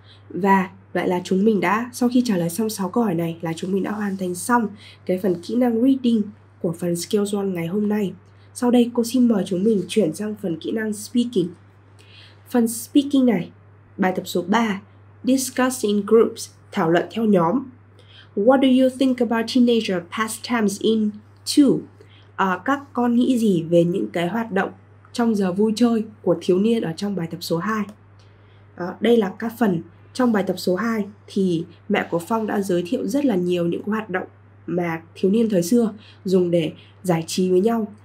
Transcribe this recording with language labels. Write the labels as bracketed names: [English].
[Vietnamese] Và vậy là chúng mình đã, sau khi trả lời xong 6 câu hỏi này, là chúng mình đã hoàn thành xong cái phần kỹ năng reading của phần Skills 1 ngày hôm nay. Sau đây cô xin mời chúng mình chuyển sang phần kỹ năng speaking. Phần speaking này, bài tập số 3, [English] discuss in groups, [Vietnamese] thảo luận theo nhóm. [English] What do you think about teenager past times in 2? [Vietnamese] Các con nghĩ gì về những cái hoạt động trong giờ vui chơi của thiếu niên ở trong bài tập số 2? Đây là các phần trong bài tập số 2 thì mẹ của Phong đã giới thiệu rất là nhiều những hoạt động mà thiếu niên thời xưa dùng để giải trí với nhau.